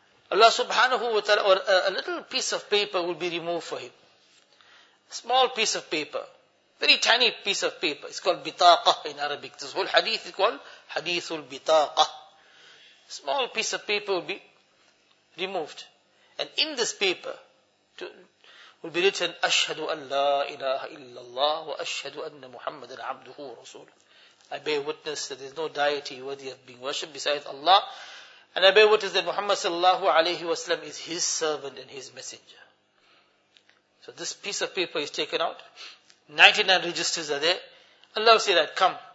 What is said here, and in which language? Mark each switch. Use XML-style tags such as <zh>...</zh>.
<en>Allah subhanahu wa ta'ala, or a little piece of paper will be removed for him. A small piece of paper, very tiny piece of paper. It's called bitaqah in Arabic. This whole hadith is called hadithul bitaqah. A small piece of paper will be removed. And in this paper will be written,</en> <ar>أَشْهَدُ أَنْ لَا إِلَهَ إِلَّا اللَّهُ وَأَشْهَدُ أَنَّ مُحَمَّدًا عَبْدُهُ وَرَسُولُهُ.</ar> <en>I bear witness that there is no deity worthy of being worshipped besides Allah. And I bear witness that Muhammad sallallahu alayhi wa sallam is his servant and his messenger. So this piece of paper is taken out. 99 registers are there. Allah said that, come.</en>